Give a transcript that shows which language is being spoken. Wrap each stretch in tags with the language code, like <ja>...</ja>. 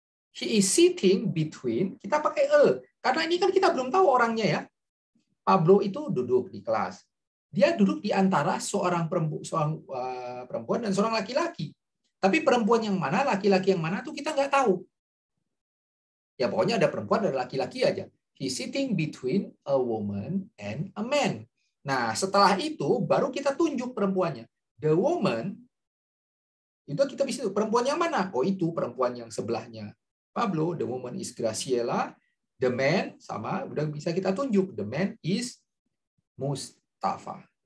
<en>He is sitting between,</en> <id>kita pakai a, karena ini kan kita belum tahu orangnya ya. Pablo itu duduk di kelas. Dia duduk di antara seorang perempuan dan seorang laki-laki. Tapi perempuan yang mana, laki-laki yang mana, itu kita nggak tahu. Ya pokoknya ada perempuan dan laki-laki aja.</id> <en>He is sitting between a woman and a man.</en> <id>Nah, setelah itu, baru kita tunjuk perempuannya.</id> <en>The woman,</en> <id>itu kita bisa tahu, perempuan yang mana? Oh, itu perempuan yang sebelahnya. Pablo,</id> <en>the woman is Graciela, the man,</en> <id>sama, udah bisa kita tunjuk,</id> <en>the man is Mustafa.</en>